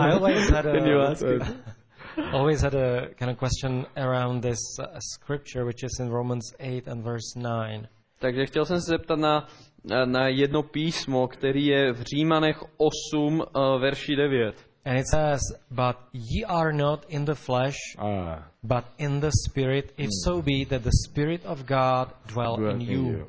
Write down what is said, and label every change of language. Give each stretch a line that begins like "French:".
English: I always had a kind of question around this scripture, which is in Romans 8 and verse 9.
Czech: Takže chtěl jsem se zeptat na jedno písmo, který je v Římanech 8, verši 9.
English: And it says, but ye are not in the flesh, but in the spirit, if so be that the spirit of God dwell in you.